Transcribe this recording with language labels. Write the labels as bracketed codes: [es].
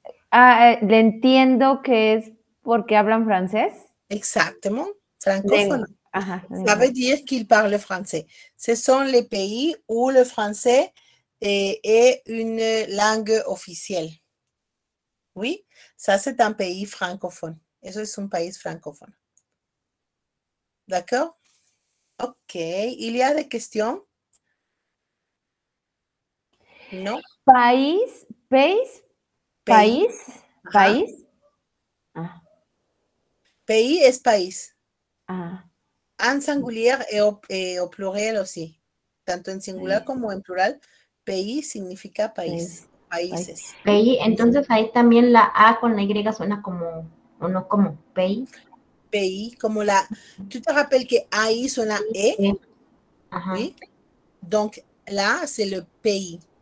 [es] Ah, le entiendo que es porque hablan francés. [fr] Exactement, francophone. Ajá, ça veut dire qu'il parle français. Ce sont les pays où le français est une langue officielle. Oui, ça c'est un pays francophone. [es] Eso es un país francophone. [fr] D'accord? Ok, il y a des questions? [es] No. País, pays. País, país. Pays es país. Ah. [fr] En singulier et au pluriel aussi. [es] Tanto en singular sí. Como en plural, pays significa país. Sí. Países. Pays, entonces ahí también la A con la Y suena como, o no como, pays. Pays, como la. ¿Tú [fr] te rappelles [es] que ahí suena E? Sí. Ajá. ¿Sí? [fr] Donc la A, c'est le pays.